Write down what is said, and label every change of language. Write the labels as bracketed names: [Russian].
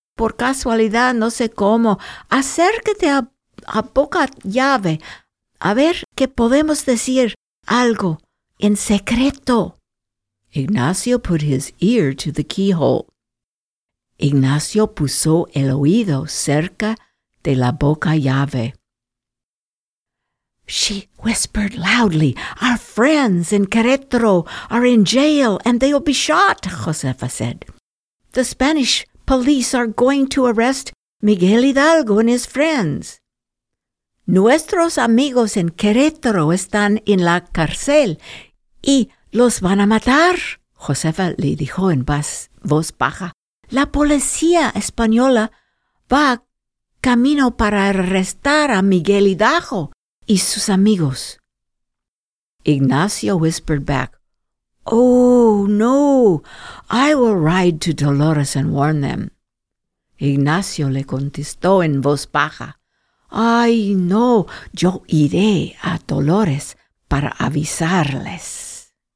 [Spanish] Por casualidad, no sé cómo. Acércate a poca llave. A ver qué podemos decir algo en secreto. [English] Ignacio put his ear to the keyhole. [Spanish] Ignacio puso el oído cerca de la boca llave. [English] She whispered loudly, "Our friends in Querétaro are in jail and they'll be shot," Josefa said. "The Spanish police are going to arrest Miguel Hidalgo and his friends." [Spanish] Nuestros amigos en Querétaro están en la cárcel y los van a matar, Josefa le dijo en voz baja. La policía española va camino para arrestar a Miguel Hidalgo y sus amigos. [English] Ignacio whispered back, "Oh, no, I will ride to Dolores and warn them." [Spanish] Ignacio le contestó en voz baja, "Ay, no, yo iré a Dolores para avisarles."